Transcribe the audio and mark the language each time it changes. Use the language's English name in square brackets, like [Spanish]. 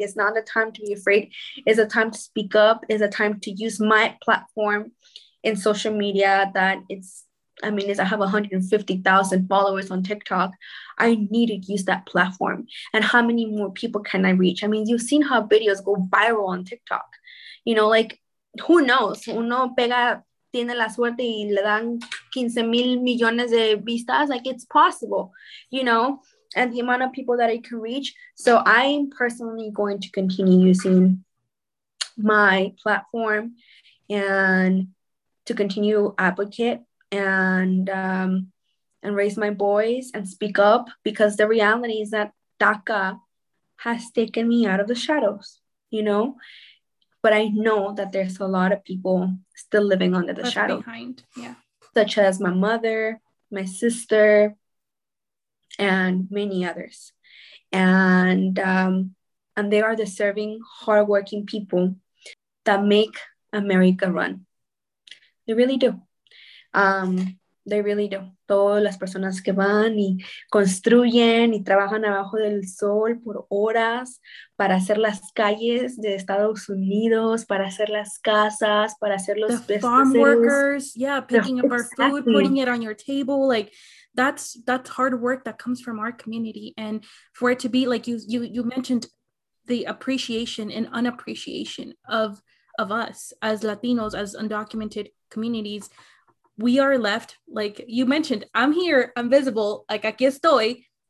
[English] It's not a time to be afraid. It's a time to speak up. It's a time to use my platform in social media I have 150,000 followers on TikTok. I need to use that platform. And how many more people can I reach? I mean, you've seen how videos go viral on TikTok. You know, like, who knows? [Spanish] Uno pega, tiene la suerte y le dan 15 mil millones de vistas. [English] Like, it's possible, you know, and the amount of people that I can reach. So I'm personally going to continue using my platform and to continue advocate and raise my voice and speak up, because the reality is that DACA has taken me out of the shadows, you know? But I know that there's a lot of people still living under the shadow. Behind. Yeah. Such as my mother, my sister, and many others. And they are deserving, hardworking people that make America run. They really do. They really do. [Spanish] Todas las personas que van y construyen y trabajan abajo del sol por horas para hacer las calles de Estados Unidos, para hacer las casas, para hacer los [English] businesses. Farm workers, yeah, picking up exactly. Our food, putting it on your table. Like, that's hard work that comes from our community. And for it to be, like, you mentioned the appreciation and unappreciation of us as Latinos, as undocumented communities. We are left, like you mentioned, I'm here, I'm visible, like [Spanish] aquí estoy.